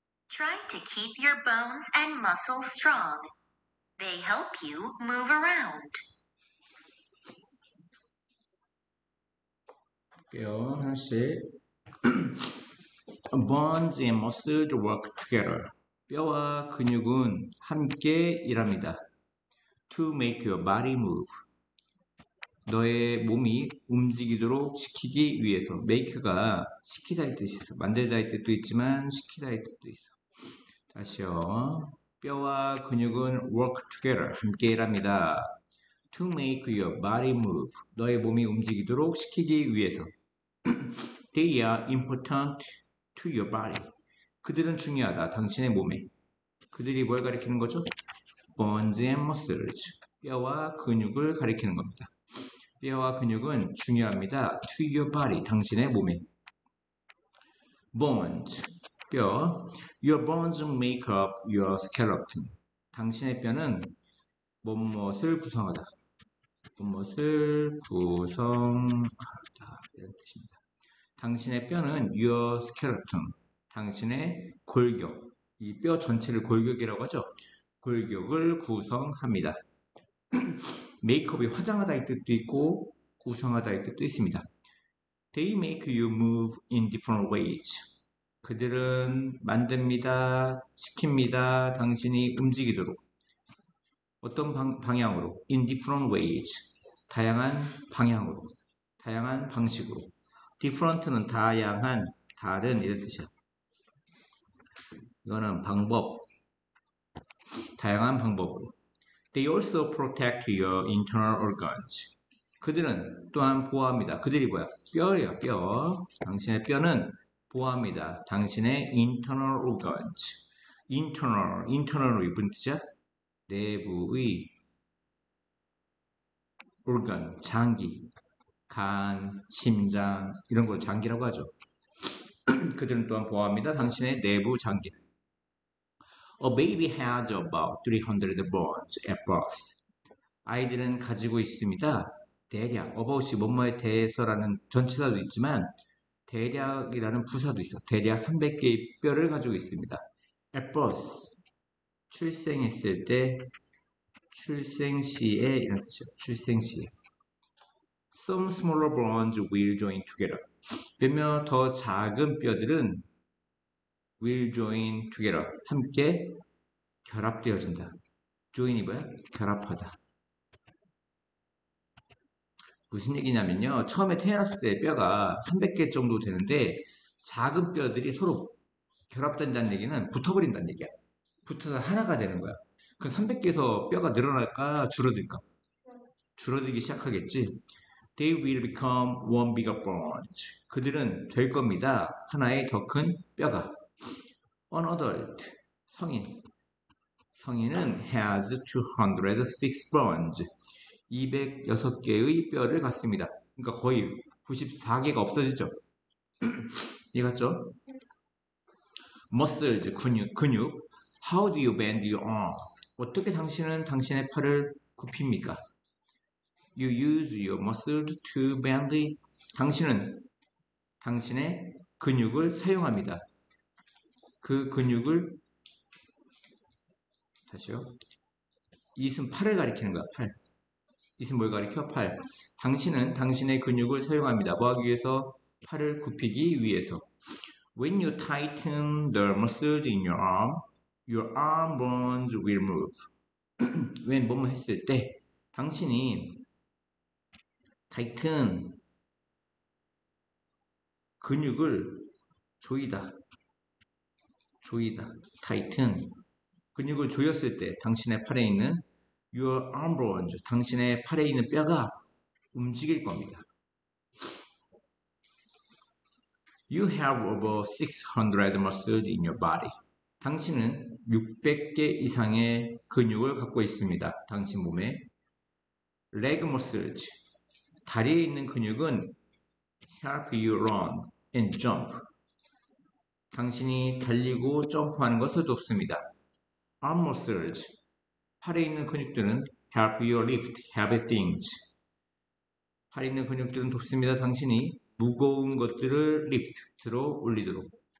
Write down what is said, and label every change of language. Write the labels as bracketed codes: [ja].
[en] Try to keep your bones and muscles strong. They help you move around. [ko] 볼게요. 하나씩. [en] Bones and muscles work together. [ko] 뼈와 근육은 함께 일합니다. [en] To make your body move. [ko] 너의 몸이 움직이도록 시키기 위해서. Make가 시키다의 뜻이 있어. 만들다의 뜻도 있지만 시키다의 뜻도 있어. 다시요. 뼈와 근육은 [en] work together. [ko] 함께 일합니다. [en] To make your body move. [ko] 너의 몸이 움직이도록 시키기 위해서. [en] They are important to your body. [ko] 그들은 중요하다. 당신의 몸에. 그들이 뭘 가리키는 거죠? [en] Bones and muscles. [ko] 뼈와 근육을 가리키는 겁니다. 뼈와 근육은 중요합니다. [en] To your body. [ko] 당신의 몸에. [en] Bones. 뼈. Your bones make up your skeleton. [ko] 당신의 뼈는 뭔무엇을 구성하다. 뭔무엇을 구성하다. 이런 뜻입니다. 당신의 뼈는 [en] your skeleton, [ko] 당신의 골격, 이뼈 전체를 골격이라고 하죠. 골격을 구성합니다. 메이크업이 화장하다의 뜻도 있고 구성하다의 뜻도 있습니다. [en] They make you move in different ways. [ko] 그들은 만듭니다, 시킵니다, 당신이 움직이도록. 어떤 방향으로? [en] In different ways. [ko] 다양한 방향으로, 다양한 방식으로. Different는 다양한, 다른 이런 뜻이야. 이거는 방법, 다양한 방법으로. [en] They also protect your internal organs. [ko] 그들은 또한 보호합니다. 그들이 뭐야? 뼈예요, 뼈. 당신의 뼈는 보호합니다. 당신의 [en] internal organs. [ko] Internal의 무슨 뜻이야? 내부의 organ, 장기, 간, 심장 이런 걸 장기라고 하죠. 그들은 또한 보호합니다. 당신의 내부 장기. [en] A baby has about 300 bones at birth. [ko] 아이들은 가지고 있습니다. 대략, about이 뭐뭐에 대해서라는 전치사도 있지만 대략이라는 부사도 있어. 대략 300개의 뼈를 가지고 있습니다. [en] At birth, [ko] 출생했을 때, 출생시에 이런 뜻이야. 출생시에. [en] Some smaller bones will join together. [ko] 몇몇 더 작은 뼈들은 [en] will join together. [ko] 함께 결합되어진다. join이 뭐야? 결합하다. 무슨 얘기냐면요. 처음에 태어났을 때 뼈가 300개 정도 되는데 작은 뼈들이 서로 결합된다는 얘기는 붙어버린다는 얘기야. 붙어서 하나가 되는 거야. 그 300개에서 뼈가 늘어날까? 줄어들까? 줄어들기 시작하겠지. [en] They will become one bigger bone. [ko] 그들은 될 겁니다. 하나의 더큰 뼈가. [en] An adult. [ko] 성인. 성인은 [en] has 206 bones. [ko] 206개의 뼈를 갖습니다. 그러니까 거의 94개가 없어지죠. 이해갔죠? Muscles. 근육. [en] How do you bend your arm? [ko] 어떻게 당신은 당신의 팔을 굽힙니까? [en] You use your muscle to bend it. [ko] 당신은 당신의 근육을 사용합니다. 그 근육을, 다시요. 이것은 팔을 가리키는 거야, 팔. 이것은 뭘 가리켜? 팔. 당신은 당신의 근육을 사용합니다. 뭐 하기 위해서? 팔을 굽히기 위해서. [en] When you tighten the muscles in your arm, your arm bones will move. [ko] 왠 몸을 했을 때 당신이 타이튼 근육을 조이다. 조이다. 타이튼 근육을 조였을 때 당신의 팔에 있는 [en] your arm bones, [ko] 당신의 팔에 있는 뼈가 움직일 겁니다. [en] You have over 600 muscles in your body. [ko] 당신은 600개 이상의 근육을 갖고 있습니다. 당신 몸에. [en] Leg muscles. [ko] 다리에 있는 근육은 [en] help you run and jump. [ko] 당신이 달리고 점프하는 것을 돕습니다. [en] Arm muscles. [ko] 팔에 있는 근육들은 [en] help you lift heavy things. [ko] 팔에 있는 근육들은 돕습니다. 당신이 무거운 것들을 lift, 들어 올리도록.